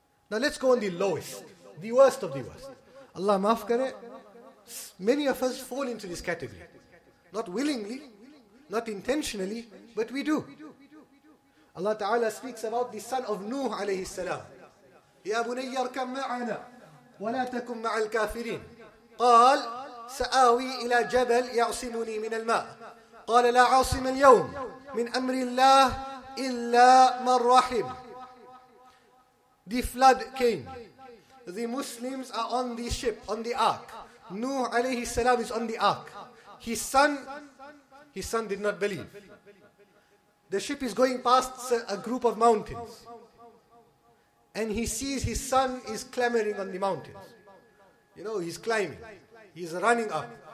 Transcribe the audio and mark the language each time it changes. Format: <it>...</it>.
<en>Now let's go on the lowest. The worst of the worst.</en> <ur>Allah maaf kare.</ur> <en>Many of us fall into this category. Not willingly. Not intentionally. But we do. Allah Ta'ala speaks about the son of Nuh alayhi salam.</en> <ar>يَا بُنَيَّ ارْكَمْ مَعَنَا وَلَا تَكُمْ مَعَ الْكَافِرِينَ قَالْ سآوي إلى جبل يعصمني من الماء. قال لا عاصم اليوم من أمر الله إلا من رحم.</ar> <en>The flood came. The Muslims are on the ship, on the ark. Nuh عليه السلام is on the ark. His son did not believe. The ship is going past a group of mountains. And he sees his son is clamoring on the mountains. You know, he's climbing. He's running up.</en>